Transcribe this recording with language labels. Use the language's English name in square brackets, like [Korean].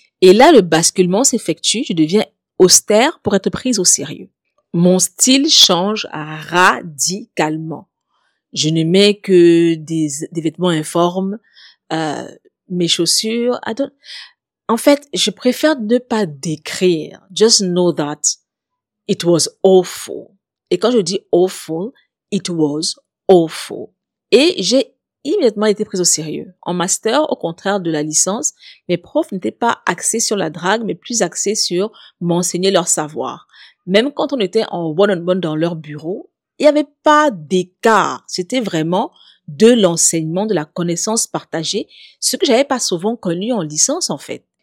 [French] Et là, le basculement s'effectue, je deviens austère pour être prise au sérieux. Mon style change radicalement. Je ne mets que des vêtements informes, mes chaussures. En fait, je préfère ne pas décrire. [English] Just know that it was awful. [French] Et quand je dis [English] awful, it was awful. [French] Et j'ai immédiatement été prise au sérieux. En master, au contraire de la licence, mes profs n'étaient pas axés sur la drague, mais plus axés sur m'enseigner leur savoir. Même quand on était en one-on-one dans leur bureau, il n'y avait pas d'écart, c'était vraiment de l'enseignement, de la connaissance partagée, ce que j'avais pas souvent connu en licence en fait.